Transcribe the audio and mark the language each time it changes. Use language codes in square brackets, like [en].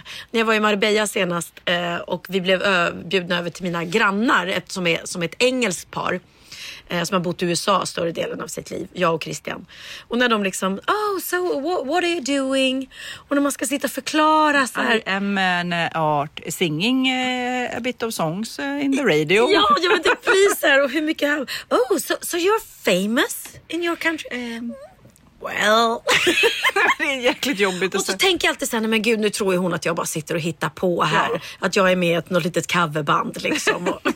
[sv] När jag var i Marbella senast och vi blev bjudna över till mina grannar som är ett engelskt par. Som har bott i USA större delen av sitt liv. Jag och Christian. Och när de liksom, [en] oh, so what are you doing? [sv] Och när man ska sitta och förklara så här. [en] I'm an art singing a bit of songs in the radio. [sv] Ja, jag vet inte priser och hur mycket. [en] Oh, so you're famous in your country? Well. [sv] Det är jäkligt jobbigt. Och så tänker jag alltid så här, men gud, nu tror ju hon att jag bara sitter och hittar på här. Ja. Att jag är med i ett något litet coverband liksom.